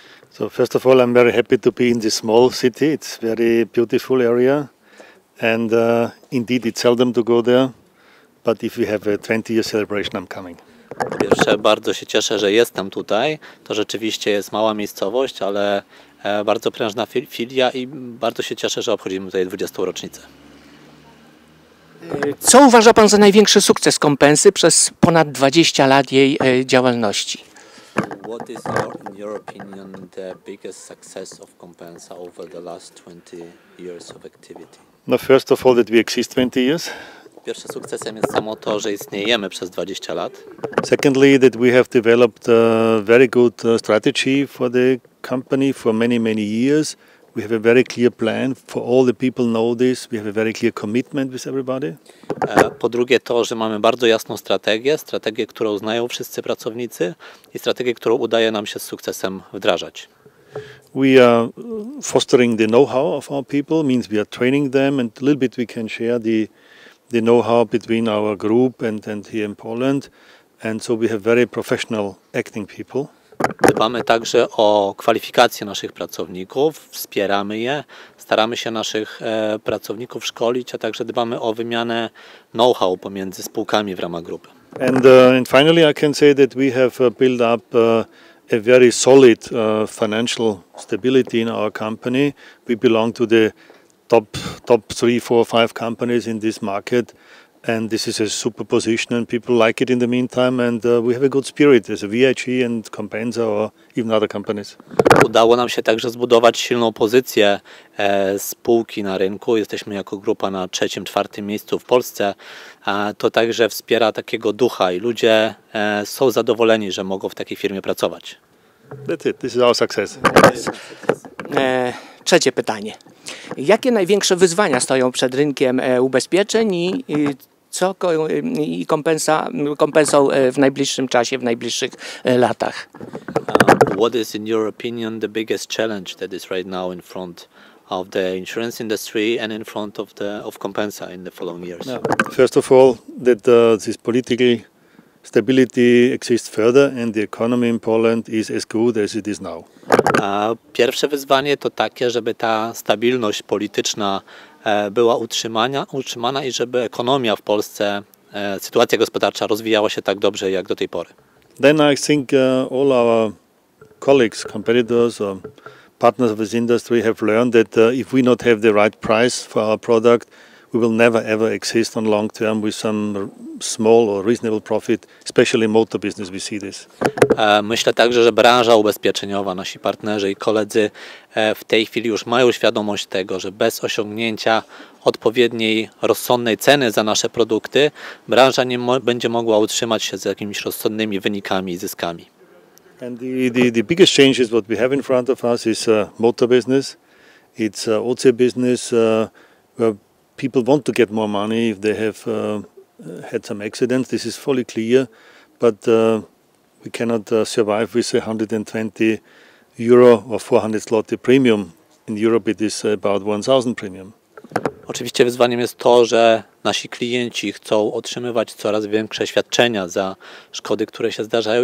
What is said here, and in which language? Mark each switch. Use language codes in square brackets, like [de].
[en] So first of all, I'm very happy to be in this small city. It's very beautiful area, and indeed it's seldom to go there. But if we have a 20-year celebration, I'm coming. [pl] Po pierwsze, bardzo się cieszę, że jestem tutaj. To rzeczywiście jest mała miejscowość, ale bardzo prężna filia i bardzo się cieszę, że obchodzimy tutaj 20. rocznicę. Co uważa pan za największy sukces Kompensy przez ponad 20 lat jej działalności? [en] What is your, in your opinion the biggest success of Kompensa over the last 20 years of activity? No, first of all that we exist 20 years. [pl] Pierwszym sukcesem jest samo to, że istniejemy przez 20 lat. [en] Secondly that we have developed a very good strategy for the company for many many years. We have a very clear plan. For all the people know this. We have a very clear commitment with everybody. [pl] Po drugie to, że mamy bardzo jasną strategię, strategię, którą znają wszyscy pracownicy i strategię, którą udaje nam się z sukcesem wdrażać. [en] We are fostering the know-how of our people, means we are training them and a little bit we can share the know-how between our group and here in Poland. And so we have very professional acting people. [pl] Dbamy także o kwalifikacje naszych pracowników, wspieramy je, staramy się naszych pracowników szkolić, a także dbamy o wymianę know-how pomiędzy spółkami w ramach grupy. [en] And finally I can say that we have built up a very solid financial stability in our company. We belong to the top 3, 4, 5 companies in this market. And this is a super position and people like it in the meantime and we have a good spirit as a VIG and Kompensa or even other companies. [pl] Udało nam się także zbudować silną pozycję spółki na rynku. Jesteśmy jako grupa na 3., 4. miejscu w Polsce. To także wspiera takiego ducha i ludzie są zadowoleni, że mogą w takiej firmie pracować. [en] That's it. This is our success. [pl] Trzecie pytanie. Jakie największe wyzwania stoją przed rynkiem ubezpieczeń i co i Kompensą w najbliższym czasie, w najbliższych latach? [en] What is in your opinion the biggest challenge that is right now in front of the insurance industry and in front of the of Kompensa in the following years? First of all, that this political stability exists further and the economy in Poland is as good as it is now. [pl] Pierwsze wyzwanie to takie, żeby ta stabilność polityczna była utrzymana i żeby ekonomia w Polsce, sytuacja gospodarcza rozwijała się tak dobrze jak do tej pory. [en] Then I think all our colleagues, competitors or partners of this industry have learned that if we not have the right price for our product, we will never ever exist on long term with some small or reasonable profit, especially motor business, we see this. [pl] Myślę także, że branża ubezpieczeniowa, nasi partnerzy i koledzy w tej chwili już mają świadomość tego, że bez osiągnięcia odpowiedniej, rozsądnej ceny za nasze produkty, branża nie będzie mogła utrzymać się z jakimiś rozsądnymi wynikami i zyskami. [en] And the biggest change is what we have in front of us is motor business. It's OC business where people want to get more money if they have had some accidents. This is fully clear, but we cannot survive with 120 euro or 400 zloty premium. In Europe it is about 1000 premium. [pl] Oczywiście wyzwaniem jest to, że nasi klienci chcą otrzymywać coraz większe świadczenia za szkody, które się zdarzają.